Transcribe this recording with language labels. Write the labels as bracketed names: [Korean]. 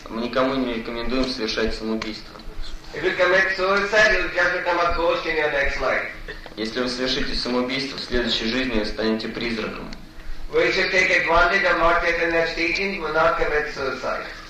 [Russian] Мы никому не рекомендуем совершать самоубийство. [English] If you commit suicide, you'll just become a ghost in your next life. [Russian] Если вы совершите самоубийство, в следующей жизни вы станете призраком. [English] We should take advantage of Lord Chaitanya's teaching, will not commit suicide.